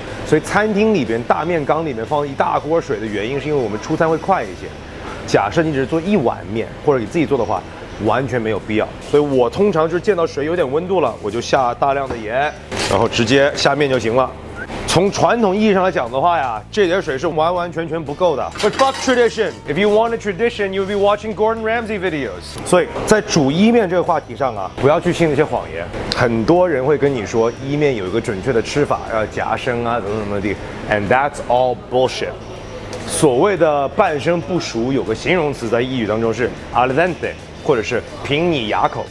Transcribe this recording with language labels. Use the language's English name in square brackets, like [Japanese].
[Chinese] 所以餐厅里边大面缸里面放一大锅水的原因是因为我们出餐会快一些。假设你只是做一碗面或者你自己做的话，完全没有必要。所以我通常就是见到水有点温度了，我就下大量的盐，然后直接下面就行了。从传统意义上来讲的话呀，这点水是完完全全不够的。 [English] But fuck tradition. If you want a tradition, you'll be watching Gordon Ramsay videos. [Chinese] 所以在煮意面这个话题上啊，不要去信那些谎言。很多人会跟你说意面有一个准确的吃法，要夹生啊等等等等。 [English] And that's all bullshit. [Chinese] 所谓的半生不熟，有个形容词在意语当中是 al dente，或者是凭你牙口。